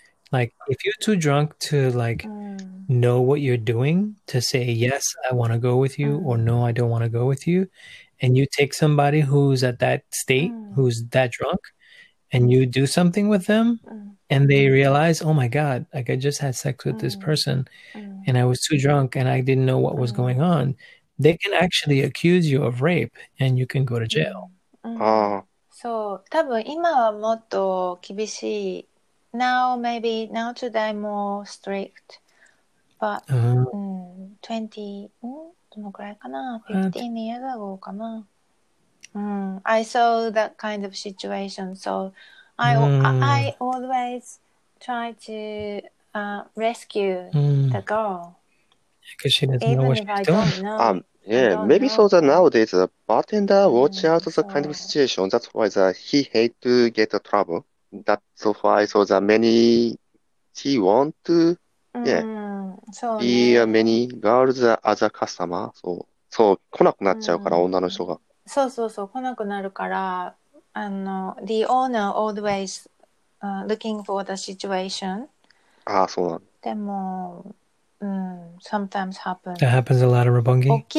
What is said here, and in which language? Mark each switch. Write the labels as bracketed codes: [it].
[en] Like if you're too drunk to like know what you're doing to say yes, I want to go with you or no, I don't want to go with you, and you take somebody who's at that state, who's that drunk, and you do something with them and they realize, oh my God, like I just had sex with this person. and I was too drunk and I didn't know what was going on, they can actually accuse you of rape and you can go to jail. [ja] So, 多分今はもっと厳しい。 [en] Now, maybe, now today more strict. But, 20, [ja] どのくらいかな [en] ?15 years ago [ja] かな [en] I saw that kind of situation. So, I always try to rescue the girl. Because she doesn't know what she's doing. Maybe so that nowadays the bartender watch out the kind of situation. That's why the, he hate to get the trouble. That's why so that many he want to be many girls as a customer. [ja] So 来なくなっちゃうから、女の人が。そうそうそう、来なくなるから、あの、 [en] the owner always looking for the situation. [ja] ああ、そうなんだ。でも、 [en] sometimes happens. That happens a lot in Roppongi.